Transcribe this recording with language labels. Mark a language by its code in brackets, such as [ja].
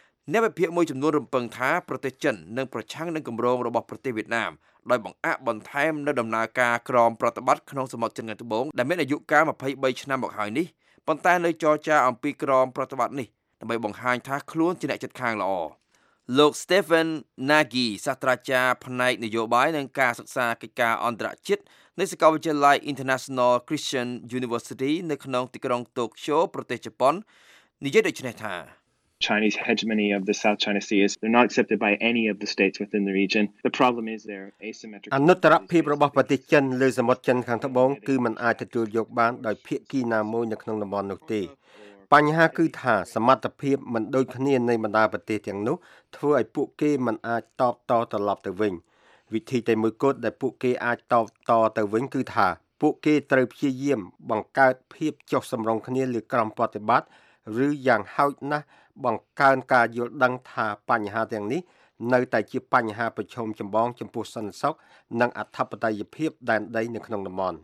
[km] អ្នកវិភាគមួយចំនួនរំពឹងថាប្រទេសចិននិងប្រឆាំងនឹងគម្រោងរបស់ប្រទេសវៀតណាមដោយបង្អាក់បន្ថែមនៅដំណើរការក្រមប្រតិបត្តិក្នុងសមុទ្រចិនខាងត្បូងដែលមានអាយុកាល23ឆ្នាំមកហើយនេះប៉ុន្តែនៅចរចាអំពីក្រមប្រតិបត្តិនេះដើម្បីបង្ហាញថាខ្លួនជាអ្នកចិត្តខាងល្អលោក Stephen Nagy សាស្ត្រាចារ្យផ្នែកនយោបាយនិងការសិក្សាកិច្ចការអន្តរជាតិនៃសាកលវិទ្យាល័យ International Christian University នៅក្នុងទីក្រុង Tokyo ប្រទេសជប៉ុននិយាយដូចនេះថា [en] Chinese hegemony of the South China Sea is they're not accepted by any of the states within the region. The problem is their asymmetric [km] អនុត្តរភាពរបស់ប្រទេសចិនលើសមុទ្រចិនខាងត្បូងគឺមិនអាចទទួលយកបានដោយភាគីណាមួយនៅក្នុងតំបន់នោះទេ។បញ្ហាគឺថាសមត្ថភាពមិនដូចគ្នានៃបណ្ដាប្រទេសទាំងនោះធ្វើឲ្យពួកគេមិនអាចតបតត្រឡប់ទៅវិញ។ វិធីតែមួយគត់ដែលពួកគេអាចតបតទៅវិញគឺថាពួកគេត្រូវព្យាយាមបង្កើតភាពចុះសម្រុងគ្នាឬក្រុមប្រតិបត្តិឬយ៉ាងហោចណាស់បង្កើនការយល់ដឹងថាបញ្ហាទាំងនេះនៅតែជាបញ្ហាប្រឈមចម្បងចំពោះសន្តិសុខនិងអធិបតេយ្យភាពដែនដីនៅក្នុងតំបន